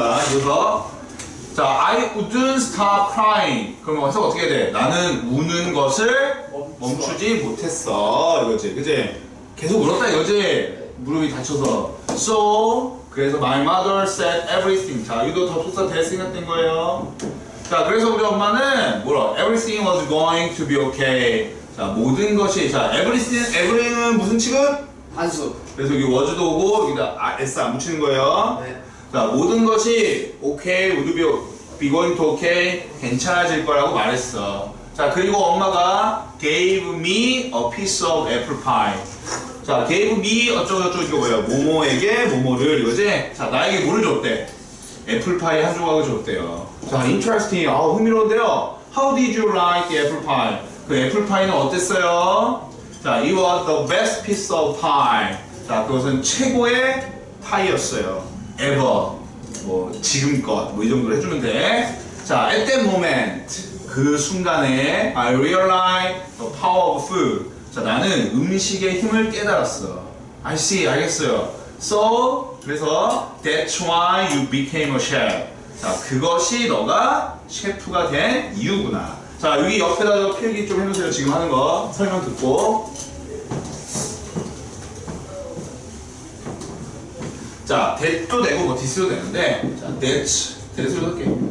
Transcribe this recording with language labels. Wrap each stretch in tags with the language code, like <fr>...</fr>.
<en>그래서 자, I wouldn't stop crying.</en> <ko>그럼 해석 어떻게 돼? 나는 우는 것을 멈추지 못했어. 이거지, 그지? 계속 울었다 이거지? 무릎이 다쳐서.</ko> <en>So, 그래서 my mother said everything.</en> <ko>자, 이거 접속사 됐을 거예요. 자, 그래서 우리 엄마는 뭐라?</ko> <en>Everything was going to be okay.</en> <ko>자, 모든 것이 자, everything, everything은 무슨 취급? 단수. 그래서 여기 was도 오고 여기다 s 안 붙이는 거예요. 네. 자, 모든 것이 오케이, would be, be going to okay, 괜찮아질 거라고 말했어. 자, 그리고 엄마가</ko> <en>gave me a piece of apple pie.</en> <ko>자, gave me 어쩌고저쩌고 이거 뭐야? 모모에게 모모를, 이거지? 자, 나에게 뭐를 줬대? 애플파이 한 조각을 줬대요. 자, interesting. 아, 흥미로운데요.</ko> <en>How did you like the apple pie?</en> <ko>그 애플파이는 어땠어요?</ko> <en>자, it was the best piece of pie.</en> <ko>자, 그것은 최고의 파이였어요. ever 뭐 지금껏 뭐 이 정도로 해주면 돼.</ko> <en>자, at that moment</en> <ko>그 순간에</ko> <en>I realized the power of food.</en> <ko>자, 나는 음식의 힘을 깨달았어.</ko> <en>I see, 알겠어요. So 그래서 that's why you became a chef.</en> <ko>자, 그것이 너가 셰프가 된 이유구나. 자, 여기 옆에다 필기 좀 해주세요. 지금 하는 거 설명 듣고. 자, that도 되고 뭐 this도 되는데 자, that's로 할게.</ko>